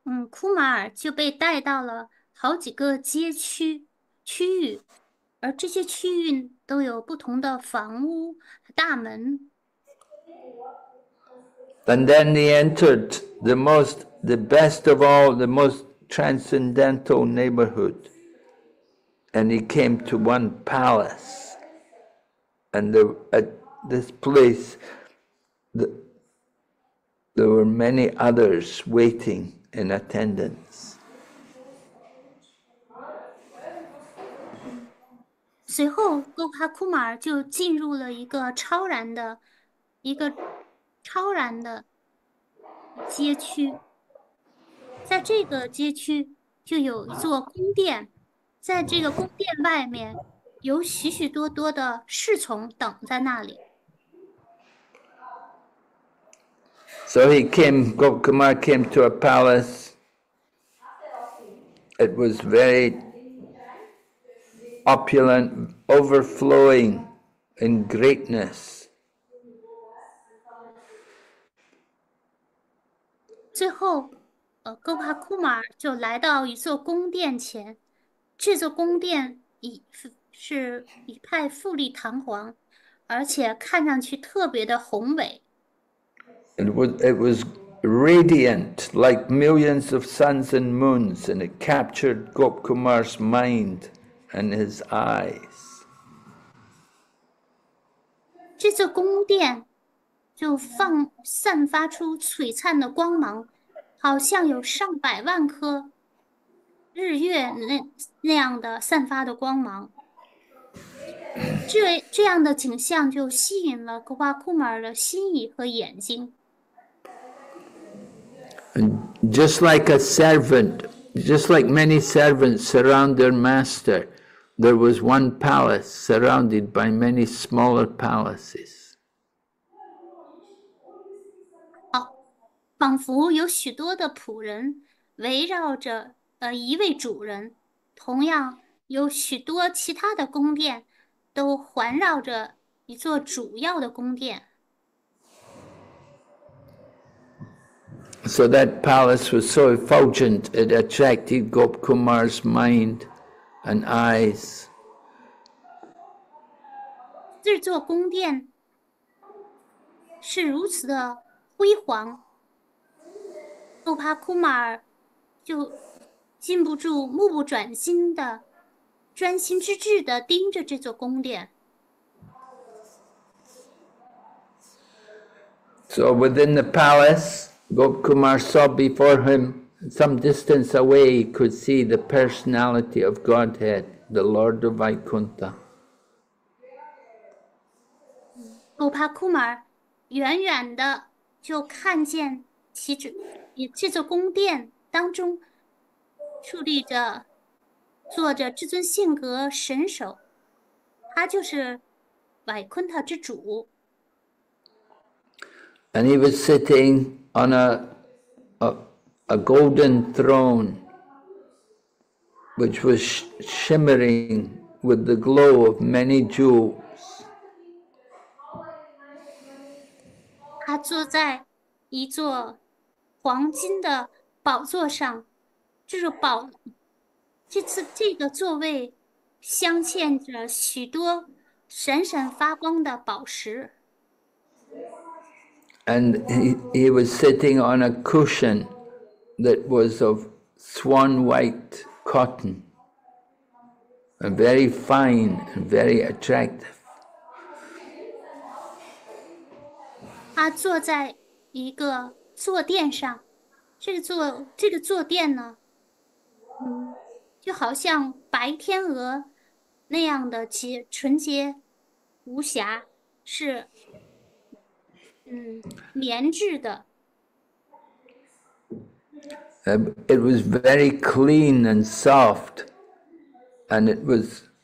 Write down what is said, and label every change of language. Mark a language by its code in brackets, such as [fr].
[zh] 库马尔就被带到了好几个街区区域，而这些区域都有不同的房屋大门。 [en] And then he entered the most, the best of all, the most transcendental neighborhood. And he came to one palace. And the, at this place, the, there were many others waiting in attendance. [zh] 随后，戈帕库马尔就进入了一个超然的一个。超然的街区，在这个街区就有一座宫殿，在这个宫殿外面有许许多多的侍从等在那里。 [en] So he came, Gop Kumar came to a palace. It was very opulent, overflowing in greatness. [zh] 最后，戈帕库马尔就来到一座宫殿前，这座宫殿已是一派富丽堂皇，而且看上去特别的宏伟。 [en] It was radiant like millions of suns and moons, and it captured Gop Kumar's mind and his eyes. [zh] 这座宫殿。就放散发出璀璨的光芒，好像有上百万颗日月那样的散发的光芒。这样的景象就吸引了戈帕库马尔的心意和眼睛。 [en] And just like a servant, just like many servants surround their master, there was one palace surrounded by many smaller palaces. [zh] 仿佛有许多的仆人围绕着一位主人，同样有许多其他的宫殿都环绕着一座主要的宫殿。 [en] So that palace was so effulgent, it attracted Gop Kumar's mind and eyes. [zh] 这座宫殿是如此的辉煌。戈帕库马尔就禁不住目不转睛的专心致志的盯着这座宫殿。 [en] So within the palace, Gop Kumar saw before him, some distance away, he could see the personality of Godhead, the Lord of Vaikuntha. [zh] 戈帕库马尔远远的就看见其主。这座宫殿当中矗立着坐着至尊性格神首，他就是瓦昆特之主。 [en] And he was sitting on a golden throne which was shimmering with the glow of many jewels. [zh] 他坐在一座黄金的宝座上，这个宝，这次这个座位镶嵌着许多闪闪发光的宝石。 [en] And he was sitting on a cushion that was of swan white cotton, and very fine and very attractive. [zh] 他坐在一个坐垫上。这个坐垫呢，就好像白天鹅那样的纯洁无瑕，是棉质的。 [en] It was very clean and soft, and it was